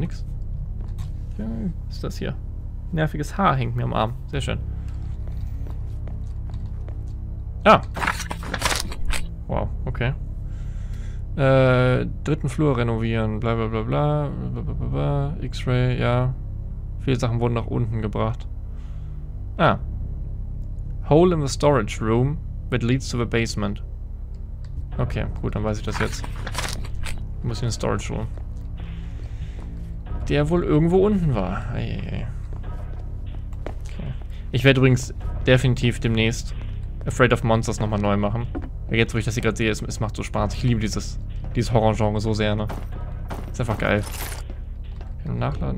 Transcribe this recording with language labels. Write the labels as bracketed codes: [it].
[de] Nix. Was ist das hier? Nerviges Haar hängt mir am Arm. Sehr schön. Ah. Wow, okay. Dritten Flur renovieren. Bla bla bla bla. X-Ray, ja. Viele Sachen wurden nach unten gebracht. Ah. [en] Hole in the storage room that leads to the basement. [de] Okay, gut, dann weiß ich das jetzt. Ich muss in den Storage Room. Der wohl irgendwo unten war. Eieiei. Okay. Ich werde übrigens definitiv demnächst Afraid of Monsters nochmal neu machen. Weil jetzt, wo ich das hier gerade sehe, es macht so Spaß. Ich liebe dieses Horror-Genre so sehr, ne? Ist einfach geil. Kann ich nachladen?